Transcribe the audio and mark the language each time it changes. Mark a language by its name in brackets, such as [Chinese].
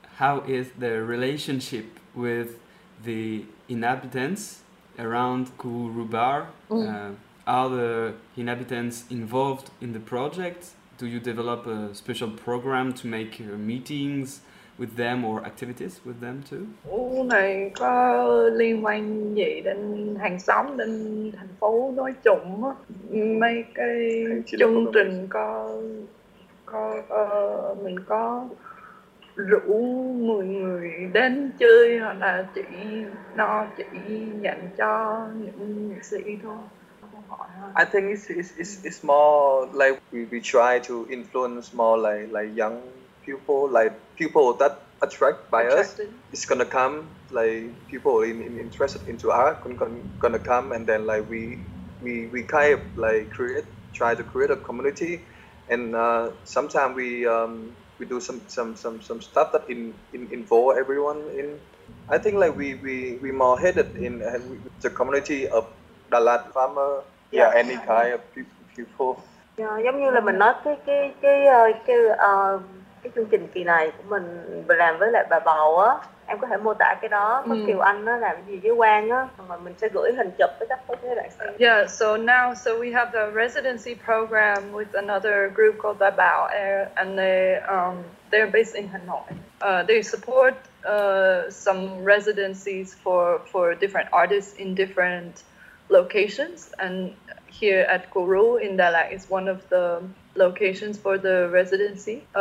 [English] how is the relationship with the inhabitants around Kourou-Bar? Are the inhabitants involved in the project? Do you develop a special program to make meetings with them or activities with them too? [Vietnamese] Ô này có liên quan gì đến hàng xóm, đến thành phố nói chung á. Mấy cái chương trình có mình có rủ 10 người đến chơi, hoặc là chỉ no chỉ dành cho những nghệ sĩ thôi. [English] I think it's more like we try to influence more like young people, like people that attract by attracted. Us. It's gonna come like people in interested into art gonna come, and then like we kind of like try to create a community, and sometimes we do some stuff that in involve everyone in. I think like we more headed in the community of Đà Lạt farmer. Yeah, any kind of people. [Vietnamese] Yeah, giống như là mình nói cái chương trình kỳ này của mình làm với lại bà bầu á, em có thể mô tả cái đó, Bắc Kiều Anh nó làm gì với Quang á, mà mình sẽ gửi hình chụp với các bạn xem. [English] Yeah, so now we have the residency program with another group called Bà Bầu, and they're based in Hanoi. They support some residencies for different artists in different locations, and here at Kourou in Đà Lạt is one of the locations for the residency.